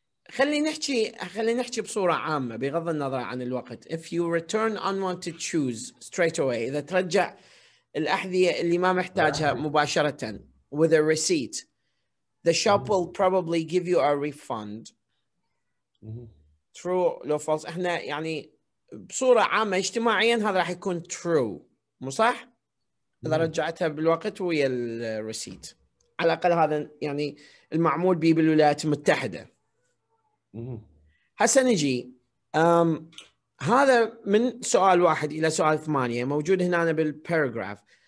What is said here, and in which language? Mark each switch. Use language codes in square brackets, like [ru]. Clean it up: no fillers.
[ar] خلي نحكي بصورة عامة بغض النظر عن الوقت. [en] If you return unwanted shoes straight away, [ar] إذا ترجع الأحذية اللي ما محتاجها مباشرة [en] with a receipt, the shop will probably give you a refund. True لو false. [ar] إحنا يعني بصورة عامة اجتماعيا هذا راح يكون true, مو صح؟ إذا رجعتها بالوقت ويا الريسيت. على الأقل هذا يعني المعمول به بالولايات المتحدة. هسه نجي هذا من سؤال واحد إلى سؤال ثمانية موجود هنا بالparagraph.